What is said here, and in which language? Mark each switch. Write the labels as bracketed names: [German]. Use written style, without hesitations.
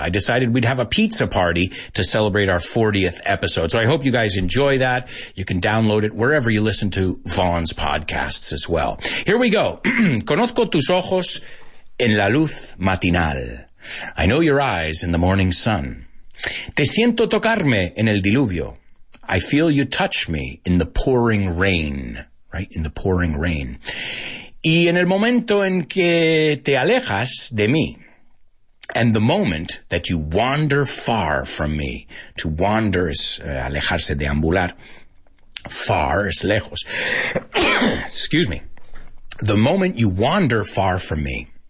[English] I decided we'd have a pizza party to celebrate our 40th episode. So I hope you guys enjoy that. You can download it wherever you listen to Vaughn's podcasts as well. Here we go. [Spanish] Conozco tus ojos. en la luz matinal. [English] I know your eyes in the morning sun. [Spanish] Te siento tocarme en el diluvio. [English] I feel you touch me in the pouring rain. Right? In the pouring rain. [Spanish] Y en el momento en que te alejas de mí. [English] And the moment that you wander far from me. To wander is [Spanish] alejarse, deambular. [English] Far is lejos. Excuse me. The moment you wander far from me.